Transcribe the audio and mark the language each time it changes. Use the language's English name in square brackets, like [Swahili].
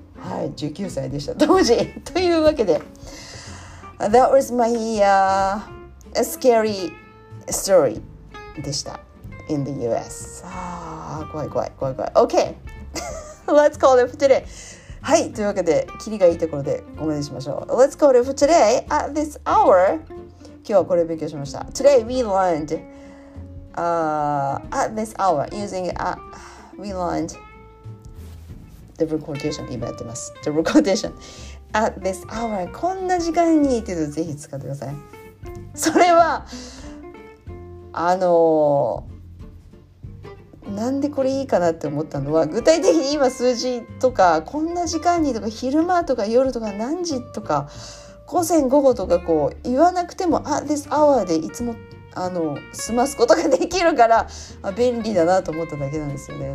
[Japanese] はい、19歳でした当時というわけで [English] That was my scary story [Japanese] でした [English] in the US. [Japanese] ああ怖い怖い怖い怖い。 [English] OK Let's call it for today. [Japanese] はい、というわけで切りがいいところでごめんしましょう。 [English] Let's call it for today at this hour. [Japanese] 今日はこれ勉強しました。 [English] Today we learned、at this hour using at we learned different quotation. [Japanese] 今やってます [English] different quotation at this hour. [Japanese] こんな時間にっていうのぜひ使ってください。それはなんでこれいいかなって思ったのは、具体的に今数字とかこんな時間にとか昼間とか夜とか何時とか午前午後とかこう言わなくても [English] at this hour [Japanese] でいつも済ますことができるから、まあ、便利だなと思っただけなんですよね。